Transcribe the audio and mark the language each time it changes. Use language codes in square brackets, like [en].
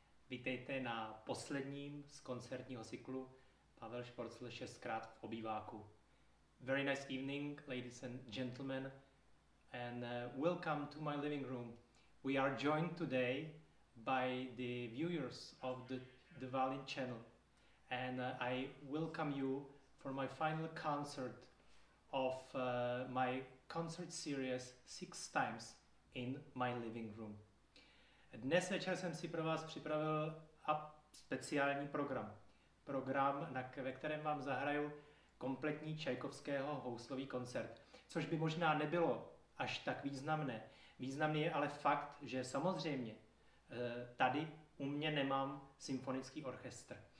[cs] Vítejte na posledním z koncertního cyklu Pavel Šporcl 6x v obýváku. [en] Very nice evening, ladies and gentlemen, and welcome to my living room. We are joined today by the viewers of the Violin channel, and I welcome you for my final concert of my concert series 6x in my living room. [cs] Dnes večer jsem si pro vás připravil speciální program. Program, ve kterém vám zahraju kompletní Čajkovského houslový koncert. Což by možná nebylo až tak významné. Významný je ale fakt, že samozřejmě tady u mě nemám symfonický orchestr.